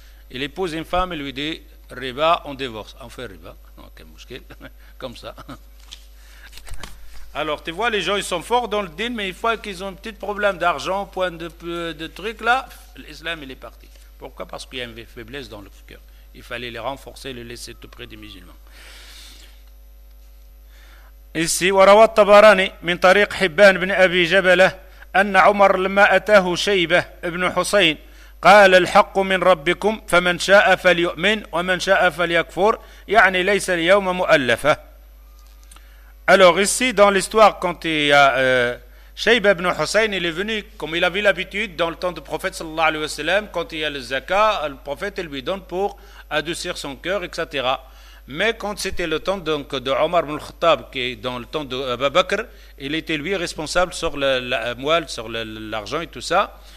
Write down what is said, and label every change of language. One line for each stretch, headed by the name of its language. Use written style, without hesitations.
French: Il épouse une femme et lui dit riba, on divorce, on fait riba, okay, mouchkil, comme ça. Alors, tu vois, les gens, ils sont forts dans le din, mais une fois qu'ils ont un petit problème d'argent, point de truc, là, l'islam, il est parti. Pourquoi? Parce qu'il y a une faiblesse dans le cœur. Il fallait les renforcer, les laisser tout près des musulmans. Ici,
Arabic: « وَرَوَى الطَّبَرَانِ مِنْ طَرِيقِ حِبَّانِ بْنِ أَبِي جَبَلَةِ أَنَّ عُمَرَ لَمَا أَتَاهُ شَيْبَةِ ابْنُ حُسَيْنِ قال الحق من ربكم فمن شاء فليؤمن ومن شاء فليكفر يعني ليس اليوم مؤلفة.
French: Alors ici, dans l'histoire, quand il y a Shayb ibn Hussein, il est venu, comme il avait l'habitude dans le temps du prophète, sallallahu alayhi wa sallam, quand il y a le zakat, le prophète lui donne pour adoucir son cœur, etc. Mais quand c'était le temps donc, de Omar ibn Khattab, qui est dans le temps de Abu Bakr, il était lui responsable sur l'argent et tout ça.